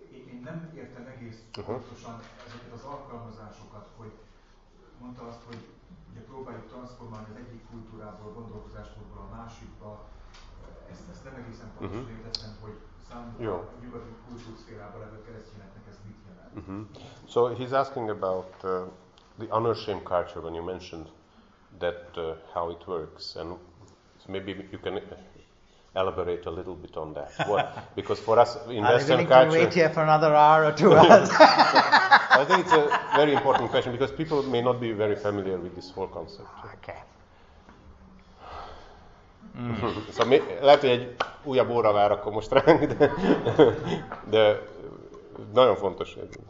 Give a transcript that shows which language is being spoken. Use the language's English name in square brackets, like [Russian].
[Hungarian] Én nem értem egész pontosan ezeket az alkalmazásokat, hogy mondta azt, hogy ugye próbáljuk transformálni az egyik kultúrából, gondolkozásmódból a másikba. Ezt nem egészen pontosan értettem, hogy számomra a nyugati kultúrszférában levő keresztényeknek ez mit jelent. [English] So he's asking about the unashamed culture when you mentioned that how it works, and so maybe you can elaborate a little bit on that. What? Because for us in Western culture, wait here for another hour or 2 hours. I think it's a very important question because people may not be very familiar with this whole concept. Okay. [Hungarian] Szóval mi, lehet, hogy egy újabb óra vár akkor most ránk, de, de nagyon fontos ez.